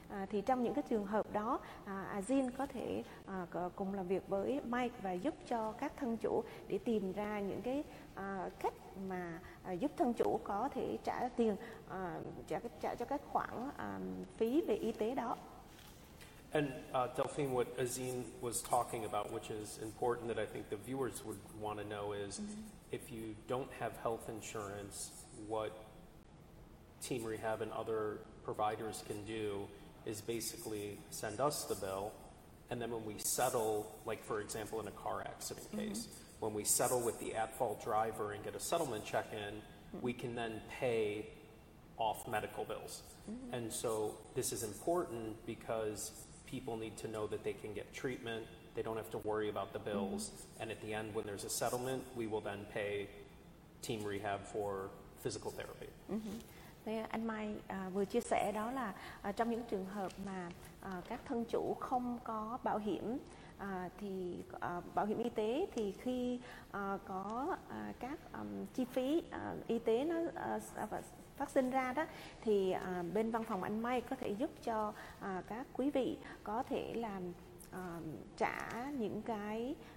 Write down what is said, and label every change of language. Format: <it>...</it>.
<vi>Thì trong những cái trường hợp đó, Azin có thể cùng làm việc với Mike và giúp cho các thân chủ để tìm ra những cái cách mà giúp thân chủ có thể trả tiền, trả cho các khoản phí về y tế đó.</vi> <en>And Delphine, what Azin was talking about, which is important that I think the viewers would want to know, is if you don't have health insurance, what Team Rehab and other providers can do is basically send us the bill, and then when we settle, like for example in a car accident case, when we settle with the at-fault driver and get a settlement check in, we can then pay off medical bills. And so this is important because people need to know that they can get treatment, they don't have to worry about the bills, and at the end when there's a settlement, we will then pay Team Rehab for physical therapy.</en> <vi>Thế anh Mai vừa chia sẻ đó là trong những trường hợp mà các thân chủ không có bảo hiểm thì bảo hiểm y tế, thì khi có các chi phí y tế nó phát sinh ra đó, thì bên văn phòng anh Mai có thể giúp cho các quý vị có thể là trả những cái</vi>